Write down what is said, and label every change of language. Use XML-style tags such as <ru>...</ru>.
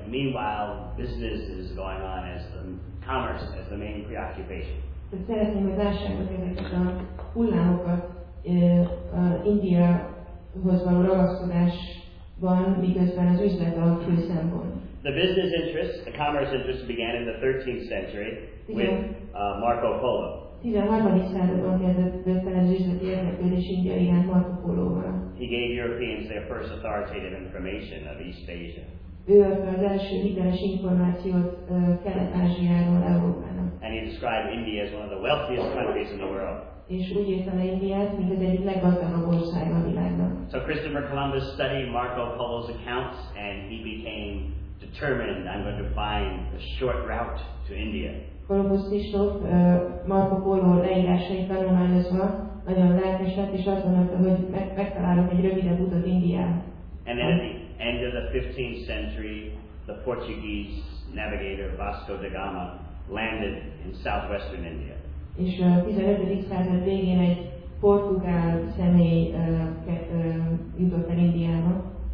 <en>Meanwhile, business is going on as the commerce as the main preoccupation.</en> <hu>Szeretném, hogy lássák ezeket a hullámokat India hoz való ragaszkodásban, miközben az üzlet a fő szempont.</hu> <en>The business interests, the commerce interests began in the 13th century with Marco Polo.</en> <hu>13. században kezdett az üzleti érdeklődés India iránt Marco Polo-val.</hu> <en>He gave Europeans their first authoritative information of East Asia.</en> <hu>Ő adta az első hiteles információt Kelet-Ázsiáról Európának.</hu> <en>And he described India as one of the wealthiest countries in the world.</en> <hu>és úgy értem én miért, mint az egyik leggazdagabb ország a világban.</hu> <en>So Christopher Columbus studied Marco Polo's accounts, and he became determined, I'm going to find the short route to India.</en> <hu>Columbus ismét Marco Polo leírásait tanulmányozva nagyon lelkes lett, és azt mondta, hogy megtalálok egy rövidebb utat Indiába.</hu> <en>And then at the end of the 15th century, the Portuguese navigator Vasco da Gama landed in southwestern India.</en> <hu>És a 15. század végén egy portugál személy jutott el Indiába.</hu>